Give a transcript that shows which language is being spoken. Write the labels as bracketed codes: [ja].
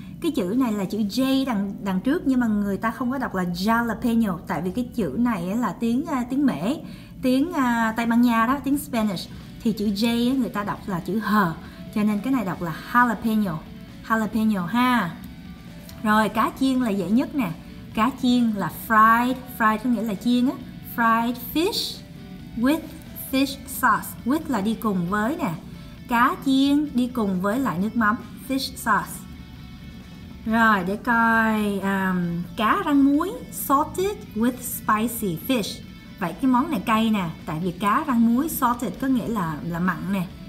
[vi] Cái chữ này là chữ J đằng trước nhưng mà người ta không có đọc là jalapeno, tại vì cái chữ này là tiếng Mỹ, tiếng Tây Ban Nha đó, tiếng Spanish. Thì chữ J người ta đọc là chữ H, cho nên cái này đọc là jalapeno. Jalapeno ha. Rồi cá chiên là dễ nhất nè. Cá chiên là fried. Fried có nghĩa là chiên á. [en] Fried fish with fish sauce. [vi] With là đi cùng với nè. Cá chiên đi cùng với lại nước mắm. [en] Fish sauce. [vi] Rồi để coi cá rang muối. [en] Salted with spicy fish. [vi] Vậy cái món này cay nè, tại vì cá rang muối salted có nghĩa là mặn nè.